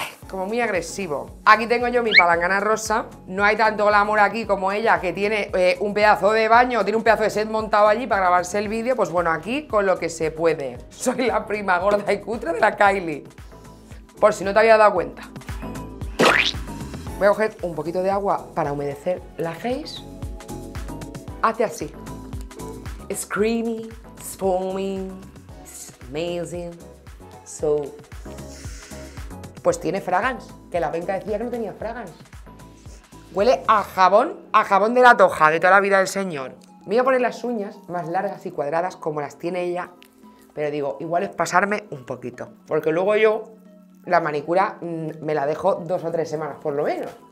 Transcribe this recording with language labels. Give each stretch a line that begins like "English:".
Spanish: Como muy agresivo. Aquí tengo yo mi palangana rosa. No hay tanto glamour aquí como ella que tiene un pedazo de baño, tiene un pedazo de set montado allí para grabarse el vídeo. Pues bueno, aquí con lo que se puede. Soy la prima gorda y cutre de la Kylie. Por si no te había dado cuenta. Voy a coger un poquito de agua para humedecer la face. Hace así.
English: It's creamy, it's foaming, it's amazing, so...
Spanish: Pues tiene fragrance, que la penca decía que no tenía fragrance. Huele a jabón de la Toja, de toda la vida del señor. Me iba a poner las uñas más largas y cuadradas como las tiene ella, pero digo, igual es pasarme un poquito, porque luego yo la manicura me la dejo dos o tres semanas, por lo menos.